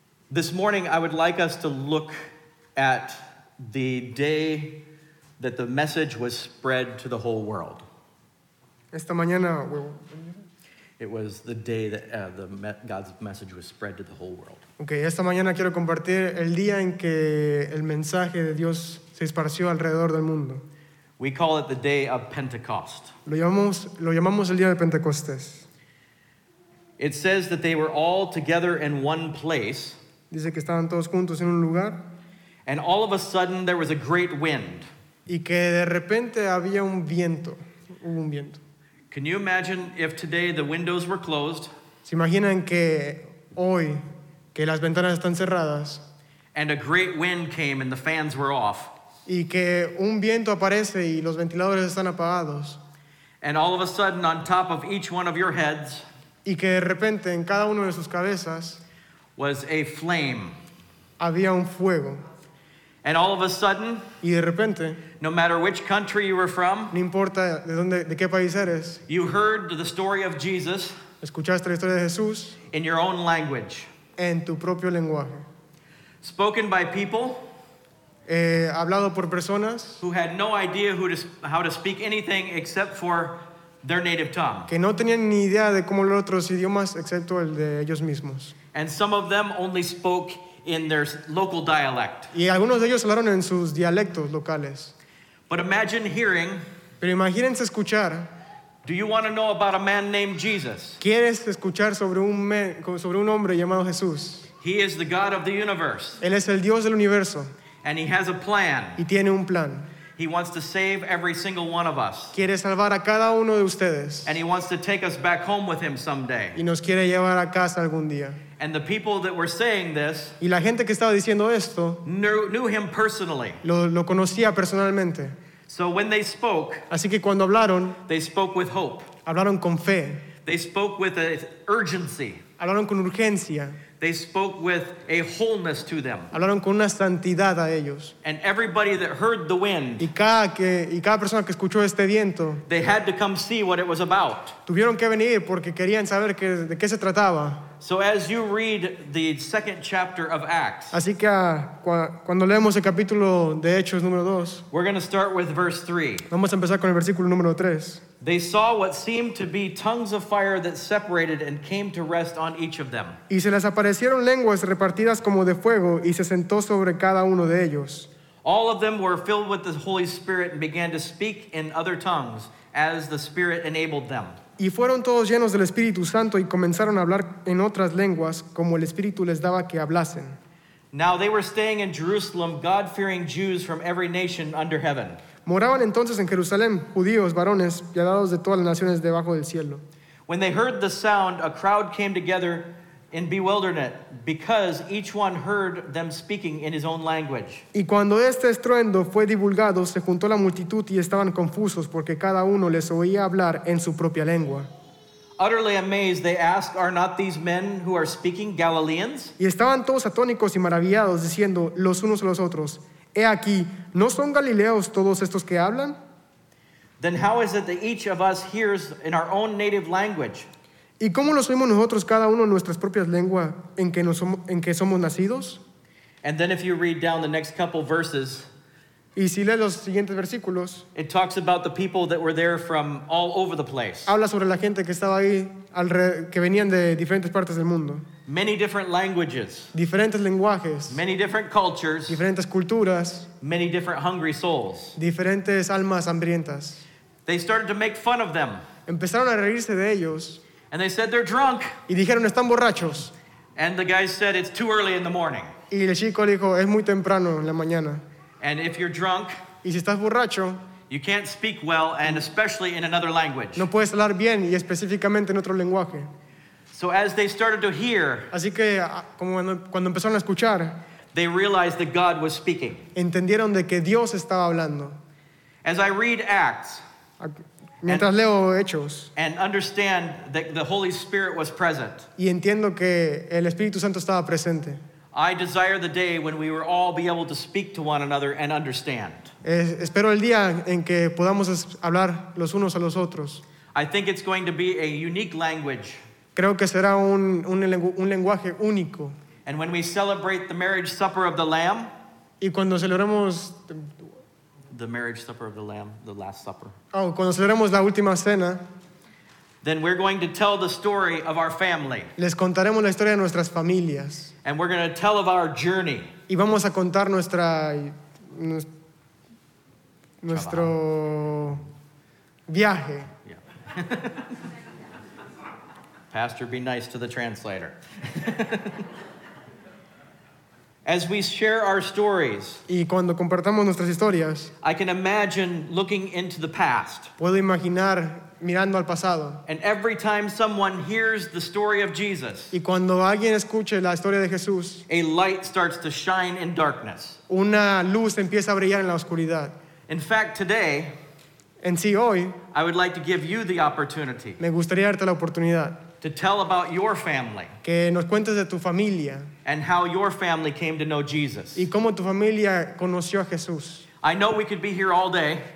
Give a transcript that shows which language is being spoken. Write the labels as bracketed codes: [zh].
[en] This morning, I would like us to look at the day that the message was spread to the whole world. [es] Esta mañana, [en] it was the day that God's message was spread to the whole world. [es] Okay, esta mañana quiero compartir el día en que el mensaje de Dios se esparció alrededor del mundo. [en] We call it the day of Pentecost. [es] Lo llamamos el día de Pentecostés. [en] It says that they were all together in one place. [es] Dice que estaban todos juntos en un lugar. [en] And all of a sudden there was a great wind. [es] Y que de repente había un viento. Hubo un viento. [en] Can you imagine if today the windows were closed? [es] ¿Se imaginan que hoy que las ventanas están cerradas? [en] And a great wind came and the fans were off. [es] Y que un viento aparece y los ventiladores están apagados. [en] And all of a sudden on top of each one of your heads, [es] y que de repente en cada uno de sus cabezas [en] was a flame. [es] Había un fuego. [en] And all of a sudden, [es] y de repente, [en] no matter which country you were from, [es] no importa de dónde, de qué país eres, [en] you heard the story of Jesus, [es] escuchaste la historia de Jesús, [en] in your own language, [es] en tu propio lenguaje, [en] spoken by people, [es] hablado por personas, [en] who had no idea how to speak anything except for their native tongue. [es] Que no tenían ni idea de cómo hablar otros idiomas excepto el de ellos mismos. [en] And some of them only spoke in their local dialect. [es] Y algunos de ellos hablaron en sus dialectos locales. [en] But imagine hearing. [es] Pero imagínense escuchar. [en] Do you want to know about a man named Jesus? [es] ¿Quieres escuchar sobre un hombre llamado Jesús? [en] He is the God of the universe. [es] Él es el Dios del universo. [en] And he has a plan. [es] Y tiene un plan. [en] He wants to save every single one of us. [es] Quiere salvar a cada uno de ustedes. [en] And he wants to take us back home with him someday. [es] Y nos quiere llevar a casa algún día. [en] And the people that were saying this, [es] y la gente que estaba diciendo esto, [en] knew him personally. [es] Lo conocía personalmente. [en] So when they spoke, [es] así que cuando hablaron, [en] they spoke with hope. [es] Hablaron con fe. [en] They spoke with an urgency. [es] Hablaron con urgencia. [en] They spoke with a wholeness to them. [es] Hablaron con una santidad a ellos. [en] And everybody that heard the wind, [es] y cada persona que escuchó este viento, [en] they had to come see what it was about. [es] Tuvieron que venir porque querían saber de qué se trataba. [en] So as you read the second chapter of Acts, [es] así que cuando leemos el capítulo de Hechos número 2, [en] we're going to start with verse 3. [es] Vamos a empezar con el versículo número 3. [en] They saw what seemed to be tongues of fire that separated and came to rest on each of them. [es] Y se les aparecieron lenguas repartidas como de fuego y se sentó sobre cada uno de ellos. [en] All of them were filled with the Holy Spirit and began to speak in other tongues as the Spirit enabled them. [es] Y fueron todos llenos del Espíritu Santo y comenzaron a hablar en otras lenguas como el Espíritu les daba que hablasen. [en] Now they were staying in Jerusalem, God-fearing Jews from every nation under heaven. [es] Moraban entonces en Jerusalén judíos, varones, piadados de todas las naciones debajo del cielo. [en] When they heard the sound, a crowd came together in bewilderment because each one heard them speaking in his own language. [es] Y cuando este estruendo fue divulgado, se juntó la multitud y estaban confusos porque cada uno les oía hablar en su propia lengua. [en] Utterly amazed, they asked, "Are not these men who are speaking Galileans?" [es] Y estaban todos atónicos y maravillados, diciendo los unos a los otros, "He aquí, ¿no son galileos todos estos que hablan?" [en] Then how is it that each of us hears in our own native language? [es] ¿Y cómo los oímos nosotros cada uno en nuestras propias lenguas en que somos nacidos? [en] And then if you read down the next couple verses, [es] y si lees los siguientes versículos, [en] it talks about the people that were there from all over the place. [es] Habla sobre la gente que estaba ahí, que venían de diferentes partes del mundo. [en] Many different languages. [es] Diferentes lenguajes. [en] Many different cultures. [es] Diferentes culturas. [en] Many different hungry souls. [es] Diferentes almas hambrientas. [en] They started to make fun of them. [es] Empezaron a reírse de ellos. [en] And they said, they're drunk. [es] Y dijeron, están borrachos. [en] And the guy said, it's too early in the morning. [es] Y el chico dijo, es muy temprano en la mañana. [en] And if you're drunk, [es] y si estás borracho, [en] you can't speak well, and especially in another language. [es] No puedes hablar bien, y específicamente en otro lenguaje. [en] So as they started to hear, [es] así que, como cuando empezaron a escuchar, [en] they realized that God was speaking. [es] Entendieron de que Dios estaba hablando. [en] As I read Acts, [es] mientras leo Hechos, [en] and understand that the Holy Spirit was present, [es] y entiendo que el Espíritu Santo estaba presente, [en] I desire the day when we will all be able to speak to one another and understand. [es] Espero el día en que podamos hablar los unos a los otros. [en] I think it's going to be a unique language. [es] Creo que será un lenguaje único. [en] And when we celebrate the marriage supper of the Lamb, [es] y cuando celebremos [en] the marriage supper of the Lamb, the last supper. [es] Oh, cuando celebremos la última cena, [en] then we're going to tell the story of our family. [es] Les contaremos la historia de nuestras familias. [en] And we're going to tell of our journey. [es] Y vamos a contar nuestro viaje. [en] Yeah. Pastor, be nice to the translator. As we share our stories, [es] y cuando compartamos nuestras historias, [en] I can imagine looking into the past. [es] Puedo imaginar mirando al pasado. [en] And every time someone hears the story of Jesus, [es] y cuando alguien escuche la historia de Jesús, [en] a light starts to shine in darkness. [es] Una luz empieza a brillar en la oscuridad. [en] In fact, today, [es] en sí hoy, [en] I would like to give you the opportunity. [es] Me gustaría darte la oportunidad. [en] To tell about your family. [es] Que nos cuentes de tu familia. [en] And how your family came to know Jesus. [es] Y cómo tu familia conoció a Jesús. [en] I know we could be here all day.